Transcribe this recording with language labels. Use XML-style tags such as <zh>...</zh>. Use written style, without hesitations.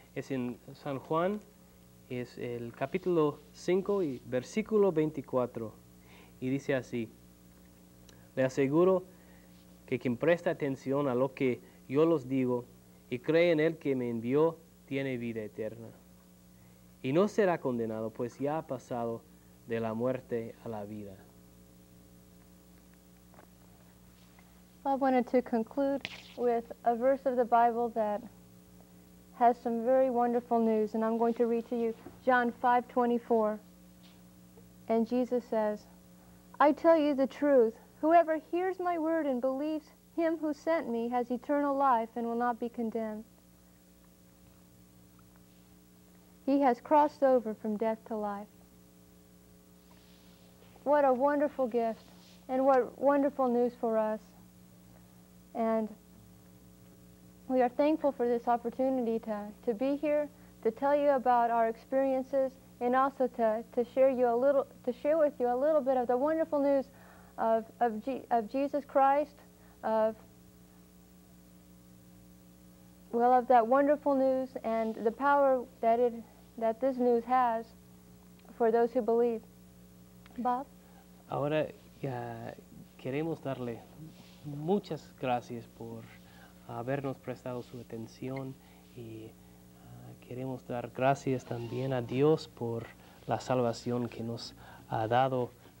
<es>Es en San Juan, es el capítulo 5 y versículo 24, y dice así: le aseguro que quien presta atención a lo que yo los digo y cree en el que me envió, tiene vida eterna. Y no será condenado, pues ya ha pasado de la muerte a la vida.</es> <en>I wanted to conclude with a verse of the Bible that has some very wonderful news, and I'm going to read to you John 5:24. And Jesus says, I tell you the truth. Whoever hears my word and believes him who sent me has eternal life and will not be condemned. He has crossed over from death to life. What a wonderful gift, and what wonderful news for us. And we are thankful for this opportunity to be here, to tell you about our experiences, and also to share with you a little bit of the wonderful news of Jesus Christ, of that wonderful news and the power that this news has for those who believe. Bob.</en> <es>Ahora queremos darle muchas gracias por habernos prestado su atención y queremos dar gracias también a Dios por la salvación que nos ha dado.</es>